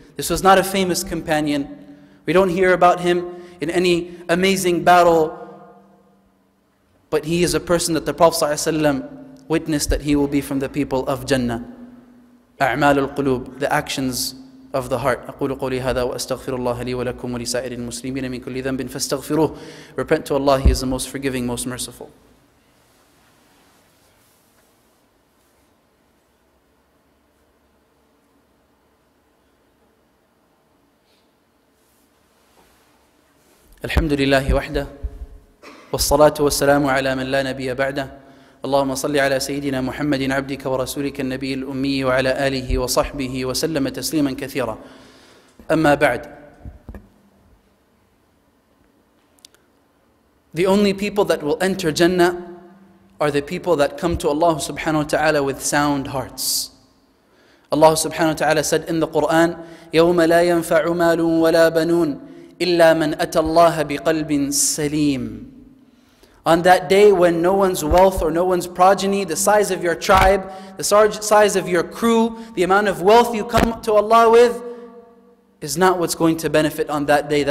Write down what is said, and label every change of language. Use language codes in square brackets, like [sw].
[en] This was not a famous companion. We don't hear about him in any amazing battle. But he is a person that the Prophet ﷺ witnessed that he will be from the people of Jannah. [ar] أعمال القلوب, [en] the actions of the heart. [ar] أقول قولي هذا وأستغفر الله لي ولكم ولسائر المسلمين من كل ذنب فاستغفروه. [en] Repent to Allah, He is the most forgiving, most merciful. [ar] الحمد لله وحده والصلاة والسلام على من لا نبي بعده اللهم صل على سيدنا محمد عبدك ورسولك النبي الأمي وعلى آله وصحبه وسلم تسليما كثيرا أما بعد. [en] The only people that will enter Jannah are the people that come to Allah subhanahu wa ta'ala with sound hearts. Allah subhanahu wa ta'ala said in the Quran, [ar] يَوْمَ لَا يَنْفَعُ مَالٌ وَلَا بَنُونَ إِلَّا مَنْ أَتَى اللَّهَ بِقَلْبٍ سَلِيمٍ. [en] On that day when no one's wealth or no one's progeny, the size of your tribe, the size of your crew, the amount of wealth you come to Allah with, is not what's going to benefit on that day.